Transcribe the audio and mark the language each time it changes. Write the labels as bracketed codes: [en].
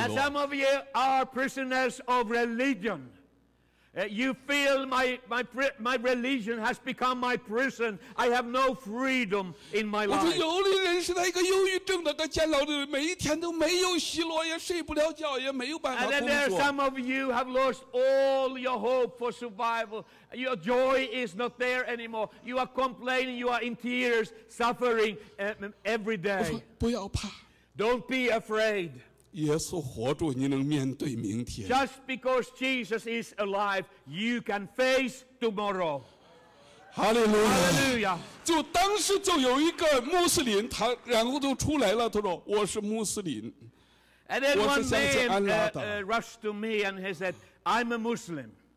[en] And some of you are prisoners of religion. You feel my religion has become my prison. I have no freedom in my life. [zh] 我说有的人是在一个忧郁症的监牢里，每一天都没有喜乐，也睡不了觉，也没有办法工作。 [en] And then there are some of you have lost all your hope for survival. Your joy is not there anymore. You are complaining. You are in tears, suffering every day. [zh] 我说不要怕。 [en] Don't be afraid. [zh] 耶稣活着，你能面对明天。 [en] Just because Jesus is alive, you can face tomorrow. Hallelujah. [zh] 就当时就有一个穆斯林，他然后就出来了，他说我是穆斯林。 [en] And then one man rushed to me and he said, "I'm a Muslim."